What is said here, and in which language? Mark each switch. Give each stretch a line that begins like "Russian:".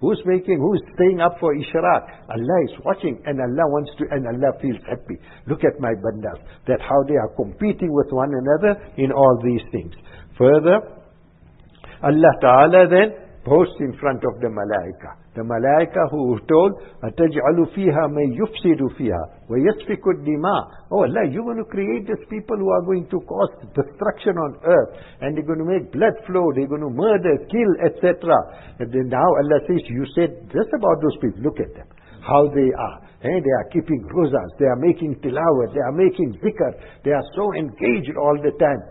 English: Who is staying up for ishraq? Allah is watching, and Allah wants to, and Allah feels happy. Look at my bandas, that how they are competing with one another in all these things. Further, Allah Ta'ala then posts in front of the malaika. The malaika who told,
Arabic: أَتَجْعَلُ فِيهَا مَنْ يُفْسِدُ فِيهَا وَيَسْفِكُ الدِّمَاءَ.
English: Oh Allah, you're going to create these people who are going to cause destruction on earth, and they're going to make blood flow, they're going to murder, kill, etc. And then now Allah says, you said this about those people, look at them, how they are. And they are keeping rozas, they are making tilawat, they are making zikr, they are so engaged all the time.